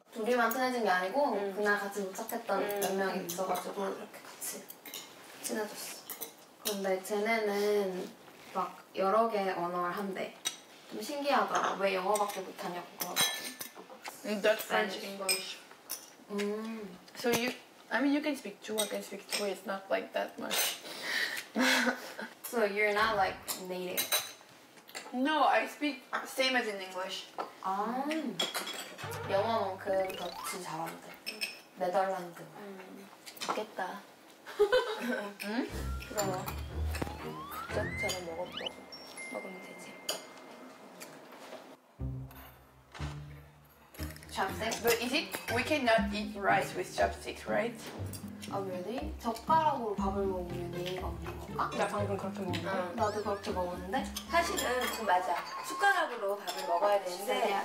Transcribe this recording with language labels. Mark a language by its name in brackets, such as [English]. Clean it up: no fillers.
[Korean] 둘이만 친해진 게 아니고 그날 같이 도착했던 몇 명이 있어가지고 이렇게 같이 친해졌어. 근데 쟤네는 막 여러 개의 언어를 한대. 좀 신기하더라. 왜 영어밖에 못하냐고 그러더라고. [English] That's French, English. So you, I mean, you can speak two, I can speak two. It's not like that much. So you're not like native? No, I speak same as in English. [Korean] 아, 영어만큼 더 진짜 잘한대. 네덜란드. 좋겠다. 응? 그럼. 진짜 잘 먹었다고. 먹으면 되지. [English] Chopsticks? But is it, we cannot eat rice with chopsticks, right? 아, oh, really? [Korean] 젓가락으로 밥을 먹으면 예의가 없는 건가? 나 방금 그렇게 먹었는데? 응. 나도 그렇게 먹었는데? 사실은 맞아. 숟가락으로 밥을 먹어야 되는데